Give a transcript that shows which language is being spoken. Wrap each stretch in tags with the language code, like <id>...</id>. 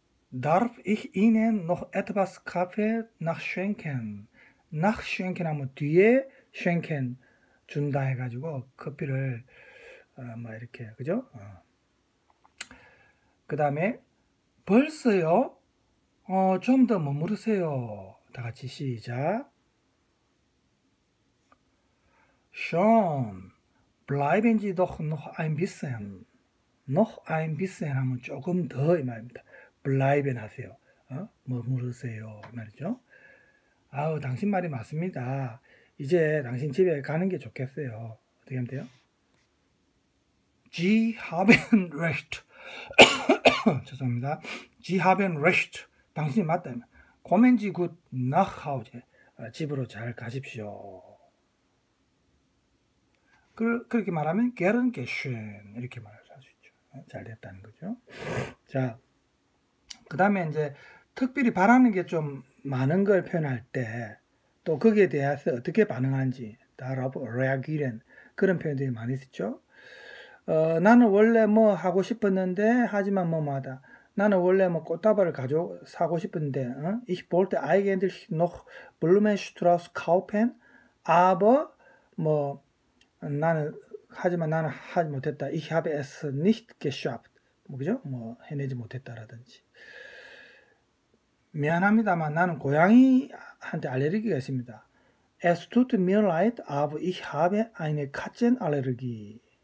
<de>Darf ich Ihnen noch etwas Kaffee nachschenken?</de> <ko>Nachschenken 하면 뒤에 schenken 준다 해가지고 커피를 이렇게, 그죠? 그 다음에, 벌써요? 좀 더 머무르세요. 다 같이 시작.</ko> <de>Schon, bleiben Sie doch noch ein bisschen. Noch ein bisschen</de> <ko>하면 조금 더 이 말입니다. Bleiben 하세요. 머무르세요. 이 말이죠. 아우, 당신 말이 맞습니다. 이제 당신 집에 가는 게 좋겠어요. 어떻게 하면 돼요?</ko> <de>Sie haben recht.</de> <ko>죄송합니다.</ko> <de>Sie haben recht.</de> <ko>당신이 맞다.</ko> <de>Kommen Sie gut nach Hause.</de> <ko>집으로 잘 가십시오. 그렇게 말하면</ko> <de>gern geschehen</de> <ko>이렇게 말할 수 있죠. 잘 됐다는 거죠. 자, 그 다음에 이제 특별히 바라는 게 좀 많은 걸 표현할 때 또 거기에 대해서 어떻게 반응한지</ko> <de>darauf reagieren</de> <ko>그런 표현들이 많이 있죠. 나는 원래 뭐 하고 싶었는데 하지만 뭐하다. 나는 원래 뭐 꽃다발을 가져 사고 싶은데.</ko> <de>Ich wollte eigentlich noch Blumenstrauß kaufen, aber</de> <ko>나는 하지 못했다.</ko> <de>Ich habe es nicht geschafft.</de> <ko>그죠? 해내지 못했다라든지. 미안합니다만 나는 고양이한테 알레르기가 있습니다.</ko> <de>Es tut mir leid, aber ich habe eine Katzenallergie.</de>